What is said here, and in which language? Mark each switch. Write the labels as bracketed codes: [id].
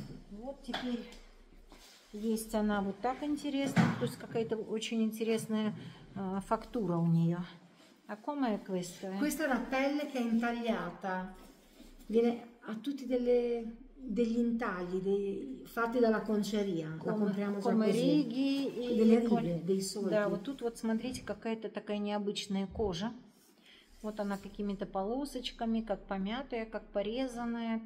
[ru] Вот теперь есть она вот так интересно, то есть какая-то очень интересная фактура у нее. [it] А come è questa? Questa è una pelle che è intagliata. Viene a tutti degli intagli fatti dalla conceria. La compriamo così. Come righe e delle righe, dei solchi. [ru] Да, вот тут вот смотрите, какая-то такая необычная кожа. Вот она какими-то полосочками, как помятая, как порезанная.